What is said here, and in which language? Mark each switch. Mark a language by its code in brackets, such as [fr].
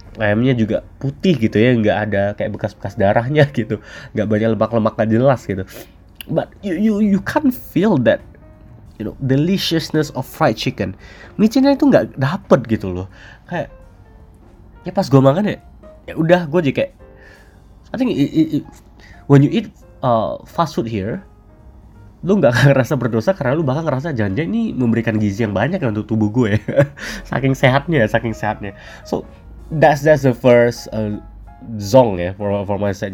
[id] Ayamnya juga putih gitu ya, nggak ada kayak bekas-bekas darahnya gitu, nggak banyak lemak-lemak nggak jelas gitu. [en] But you can't feel that, you know, deliciousness of fried chicken. [id] Micinnya itu nggak dapet gitu loh. Kayak ya pas gue makan ya udah gue aja kayak, [en] I think when you eat fast food here, [id] lu nggak akan ngerasa berdosa karena lu bakal ngerasa jangan-jangan ini memberikan gizi yang banyak ya untuk tubuh gue. Saking sehatnya, saking sehatnya. [en] So that's the first zong ya for mindset.